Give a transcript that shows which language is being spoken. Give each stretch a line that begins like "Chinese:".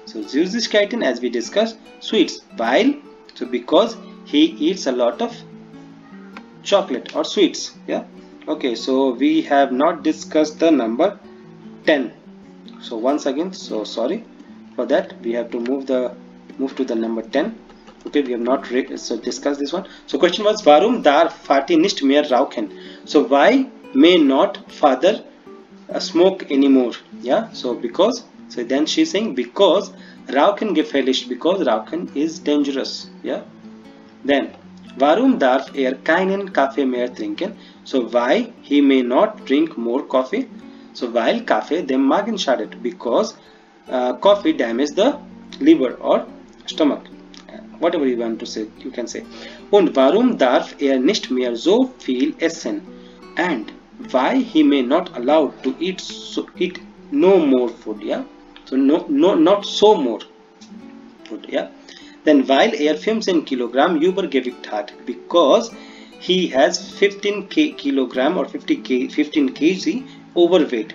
English: So Süßigkeiten, as we discussed, sweets. Weil, so because he eats a lot of chocolate or sweets. Yeah. Okay, so we have not discussed the number 10. So once again, so sorry for that. We have to move to the number 10. Okay, we have not discussed this one. So question was,
German: warum darf Vati nicht mehr rauchen?
English: So why may not father smoke anymore? Yeah, so because, so then she's saying because
German: rauchen gefährlich,
English: because rauchen is dangerous.
German: Yeah, then warum darf keinen Kaffee mehr trinken?
English: So why he may not drink more coffee? So
German: weil Kaffee den Magen schadet,
English: because coffee damages the liver or stomach. Whatever you want to say, you can say.
German: Und warum darf nicht mehr so viel essen?
English: And why he may not allow to eat so, eat no more food? Yeah. So not so more food. Yeah. Then while 15 kilogram
German: übergewicht hat,
English: because he has 15 kilogram or 15 kg overweight.